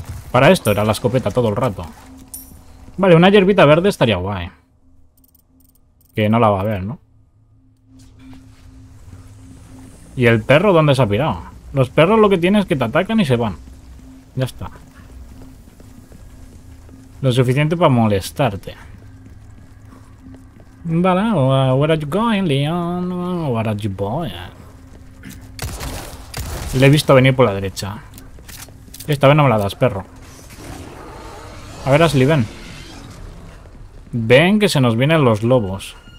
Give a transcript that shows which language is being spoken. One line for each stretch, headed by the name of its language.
Spanish: Para esto era la escopeta todo el rato. Vale, una hierbita verde estaría guay. Que no la va a ver, ¿no? ¿Y el perro dónde se ha pirado? Los perros lo que tienen es que te atacan y se van. Ya está. Lo suficiente para molestarte. Vale,
English: where are you going, Leon? Where are you going?
Spanish: Le he visto venir por la derecha. Esta vez no me la das, perro. A ver, Ashley, ven. Ven que se nos vienen los lobos.